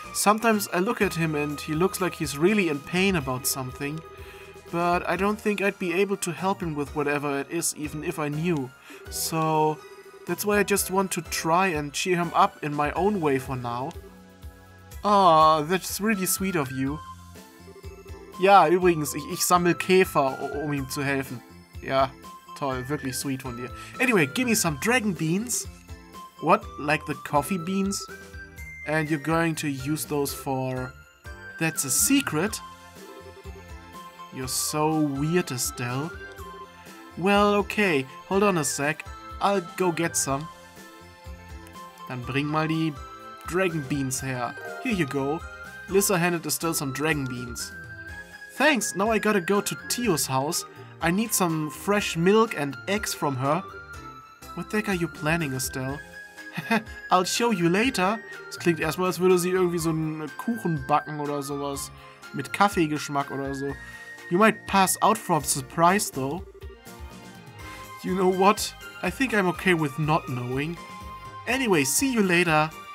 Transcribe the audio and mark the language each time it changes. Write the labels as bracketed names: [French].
[English] Sometimes I look at him and he looks like he's really in pain about something. But I don't think I'd be able to help him with whatever it is, even if I knew. So that's why I just want to try and cheer him up in my own way for now. Ah, that's really sweet of you. [German] Ja, übrigens, ich sammle Käfer, um ihm zu helfen. Ja, toll, wirklich sweet von dir. [English] Anyway, give me some dragon beans. What? Like the coffee beans? And you're going to use those for... That's a secret. You're so weird, Estelle. Well, okay, hold on a sec. I'll go get some. [German] Dann bring mal die dragon beans her. [English] Here you go. Lissa handed Estelle some dragon beans. Thanks, now I gotta go to Tio's house. I need some fresh milk and eggs from her. What the heck are you planning, Estelle? I'll show you later. [German] Es klingt erstmal, als würde sie irgendwie so einen Kuchen backen oder sowas. Mit Kaffeegeschmack oder so. [English] You might pass out from surprise, though. You know what? I think I'm okay with not knowing. Anyway, see you later.